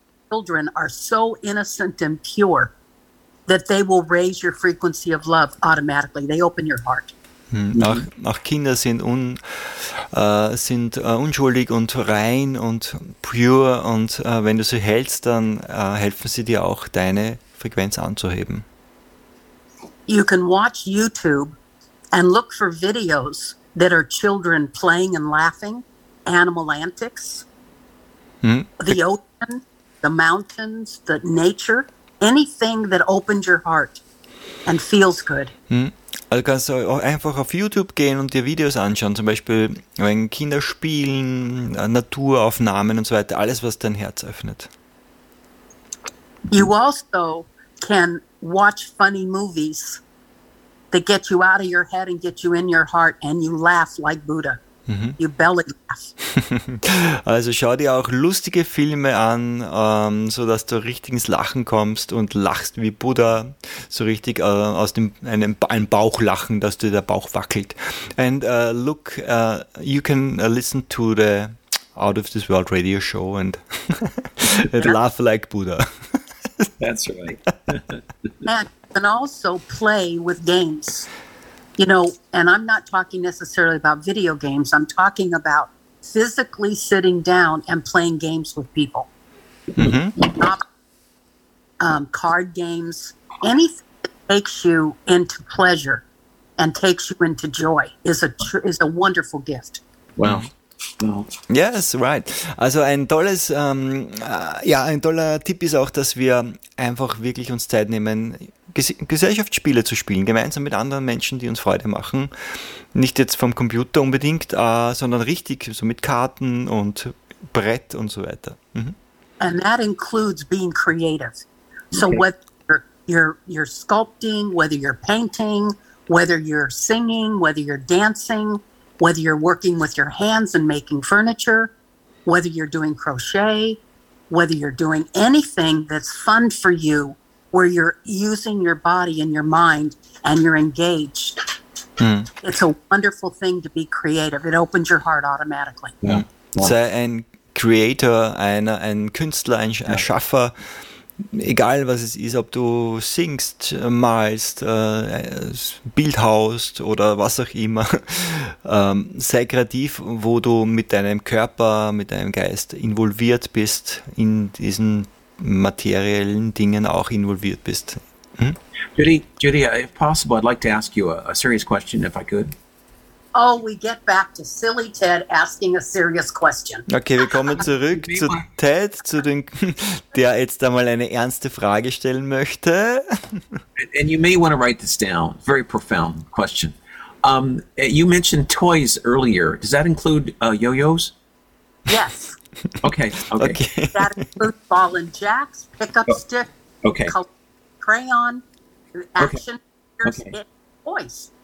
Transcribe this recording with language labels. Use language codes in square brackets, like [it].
[en] Children are so innocent and pure that they will raise your frequency of love automatically. They open your heart. [de] Auch Kinder sind unschuldig und rein und pure, und wenn du sie hältst, dann helfen sie dir auch, deine Frequenz anzuheben. [en] You can watch YouTube and look for videos that are children playing and laughing, animal antics, the ocean, the mountains, the nature, anything that opens your heart and feels good. [de] Also kannst du auch einfach auf YouTube gehen und dir Videos anschauen, zum Beispiel wenn Kinder spielen, Naturaufnahmen und so weiter, alles, was dein Herz öffnet. [en] You also can watch funny movies that get you out of your head and get you in your heart, and you laugh like Buddha. Mm-hmm. You belly laugh. [de] Also schau dir auch lustige Filme an, sodass du richtig ins Lachen kommst und lachst wie Buddha, so richtig aus dem einem Bauchlachen, dass dir der Bauch wackelt. [en] And look, you can listen to the Out of This World radio show and laugh like Buddha. That's right. And you can also play with games. You know, and I'm not talking necessarily about video games. I'm talking about physically sitting down and playing games with people. Mm-hmm. Card games, anything that takes you into pleasure and takes you into joy is a wonderful gift. Wow. Yes, right. [de] Also ein toller Tipp ist auch, dass wir einfach wirklich uns Zeit nehmen, Gesellschaftsspiele zu spielen, gemeinsam mit anderen Menschen, die uns Freude machen. Nicht jetzt vom Computer unbedingt, sondern richtig, so mit Karten und Brett und so weiter. [en] Mhm. And that includes being creative. So okay. Whether you're sculpting, whether you're painting, whether you're singing, whether you're dancing, whether you're working with your hands and making furniture, whether you're doing crochet, whether you're doing anything that's fun for you, where you're using your body and your mind and you're engaged. It's a wonderful thing to be creative. It opens your heart automatically. Yeah. [de] Yeah. Sei ein Creator, ein Künstler, ein Erschaffer. Egal was es ist, ob du singst, malst, bildhaust oder was auch immer, sei kreativ, wo du mit deinem Körper, mit deinem Geist involviert bist, in diesen materiellen Dingen auch involviert bist. [en] Judy, if possible, I'd like to ask you a serious question, if I could. Oh, we get back to silly Ted asking a serious question. [de] Okay, wir kommen zurück zu Ted, der jetzt einmal eine ernste Frage stellen möchte. [en] And you may want to write this down. Very profound question. You mentioned toys earlier. Does that include yo-yos? Yes. Okay. That includes ball and jacks, pickup stick, okay. Crayon, action figures, toys.